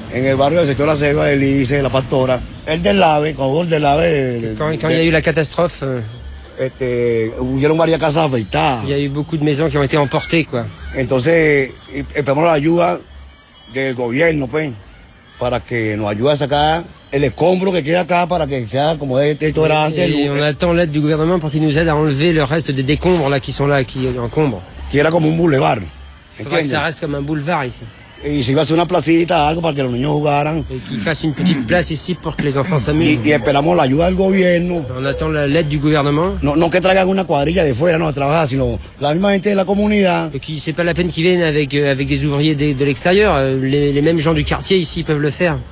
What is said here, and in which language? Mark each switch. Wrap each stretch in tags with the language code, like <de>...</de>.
<es>en el barrio del sector de la selva, el ICE, la Pastora, el del AVE,</es> <fr>quand il y a eu la catastrophe, il y a eu beaucoup de maisons qui ont été emportées, quoi.</fr> <es>Entonces, esperamos la ayuda del gobierno, pues, para que nos ayude a sacar.</es> <fr>On attend l'aide du gouvernement pour qu'il nous aide à enlever le reste des décombres là qui sont là, qui encombrent.</fr> <es>Qui era como un boulevard.</es> <fr>Que ça reste comme un boulevard ici.</fr> <es>Y si va a ser una placita, algo para que los niños jugaran.</es> <fr>Et qu'il fasse une petite place ici pour que les enfants s'amusent.</fr> <es>Y esperamos la ayuda del gobierno.</es> <fr>On attend l'aide du gouvernement.</fr> <es>No que traigan una cuadrilla de fuera, no, a trabajar, sino la misma gente de la comunidad.</es> <fr>Et qui, c'est pas la peine qu'ils viennent avec des ouvriers de l'extérieur. Les mêmes gens du quartier ici peuvent le faire.</fr>